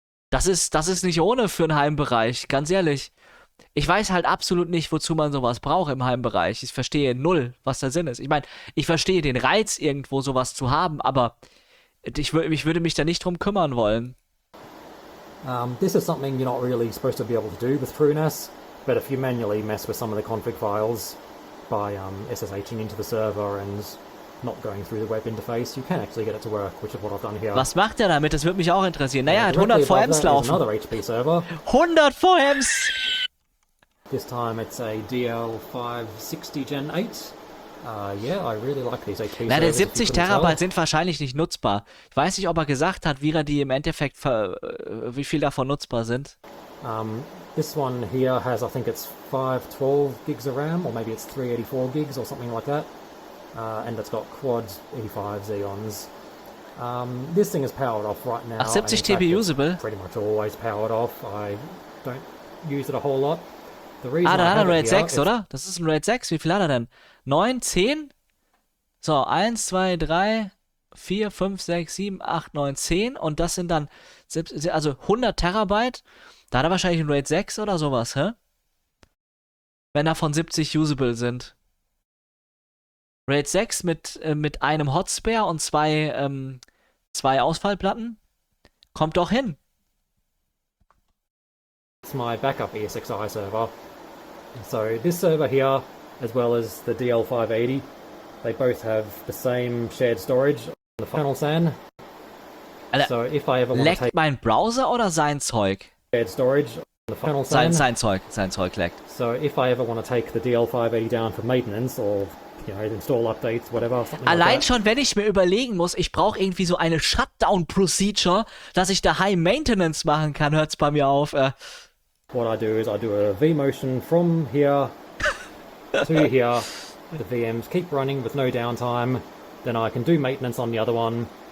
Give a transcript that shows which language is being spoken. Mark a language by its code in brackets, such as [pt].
[de] Das ist nicht ohne für einen Heimbereich, ganz ehrlich. Ich weiß halt absolut nicht, wozu man sowas braucht im Heimbereich. Ich verstehe null, was der Sinn ist. Ich meine, ich verstehe den Reiz, irgendwo sowas zu haben, aber ich würde mich da nicht drum kümmern wollen. [en] This is something you're not really supposed to be able to do with TrueNAS, but if you manually mess with some of the config files by SSHing into the server and not going through the web interface, you can actually get it to work, which is what I've done here. [de] Was macht er damit? Das würde mich auch interessieren. Naja, er hat 100 VMs laufen. [en] Another HP server. [de] 100 VMs! [en] This time it's a DL560 Gen 8. Yeah, I really like these HP servers. [de] Na, der 70 Terabyte sind wahrscheinlich nicht nutzbar. Ich weiß nicht, ob er gesagt hat, wie er die im Endeffekt, wie viel davon nutzbar sind. [en] This one here has, I think it's 512 gigs of RAM, or maybe it's 384 gigs or something like that. And it's got quad 85 Xeons. This thing is powered off right now. [de] Ach, 70 TB usable? [en] Pretty much always powered off. I don't use it a whole lot. [de] Ah, da hat er Raid 6, oder? Das ist ein Raid 6. Wie viel hat er denn? 9, 10? So, 1, 2, 3, 4, 5, 6, 7, 8, 9, 10. Und das sind dann, also 100 Terabyte. Da hat er wahrscheinlich ein Raid 6 oder sowas, hä? Wenn davon 70 usable sind. Raid 6 mit einem Hotspare und zwei Ausfallplatten. Kommt doch hin. Das ist mein Backup ESXi Server. [en] So this server here, as well as the DL580, they both have the same shared storage on the final SAN. Alter, so if I ever [de] leckt [en] take... [de] mein Browser oder sein Zeug? [en] Shared storage on the final SAN. [de] Sein Zeug leckt. [en] So if I ever want to take the DL580 down for maintenance or, you know, install updates, whatever. [de] Allein [en] like [de] schon, wenn ich mir überlegen muss, ich brauche irgendwie so eine Shutdown Procedure, dass ich daheim Maintenance machen kann, hört's bei mir auf. [en] What I do is I do a vMotion from here to here. The VMs keep running with no downtime. Then I can do maintenance on the other one.